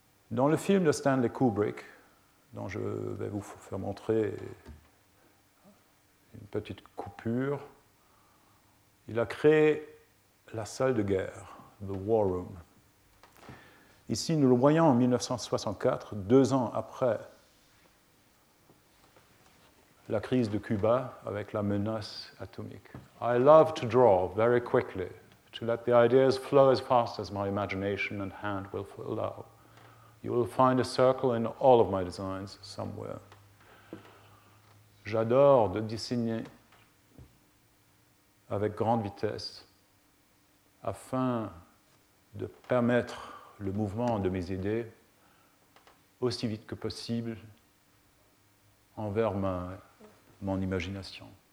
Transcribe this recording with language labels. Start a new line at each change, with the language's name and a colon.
French: Dans le film de Stanley Kubrick, dont je vais vous faire montrer une petite coupure, il a créé la salle de guerre, The War Room. Ici, nous le voyons en 1964, deux ans après la crise de Cuba avec la menace atomique.
English: I love to draw very quickly, to let the ideas flow as fast as my imagination and hand will allow. You will find a circle in all of my designs somewhere.
French: J'adore de dessiner avec grande vitesse afin de permettre le mouvement de mes idées aussi vite que possible envers mon imagination.